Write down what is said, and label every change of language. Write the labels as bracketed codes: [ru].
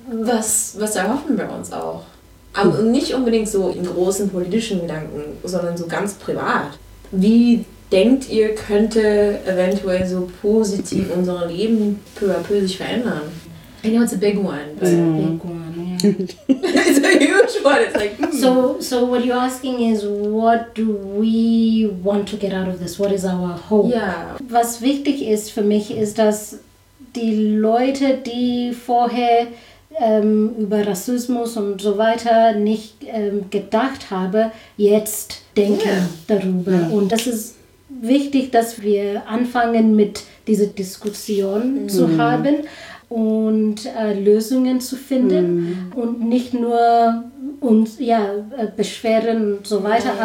[de] Was erhoffen wir uns auch? Aber nicht unbedingt so in großen politischen Gedanken, sondern so ganz privat. Wie denkt ihr, könnte eventuell so positiv unser Leben [fr] peu à peu [de] sich verändern? [en] I know it's a big one. It's a big one, yeah. It's a huge one. It's like, So what you're asking is, what do we want to get out of this? What is our hope? Yeah. [de] Was wichtig ist für mich, ist, dass die Leute, die vorher über Rassismus und so weiter nicht gedacht habe, jetzt denke darüber. Yeah. Und das ist wichtig, dass wir anfangen, mit dieser Diskussion zu haben und Lösungen zu finden und nicht nur uns beschweren und so weiter. Yeah.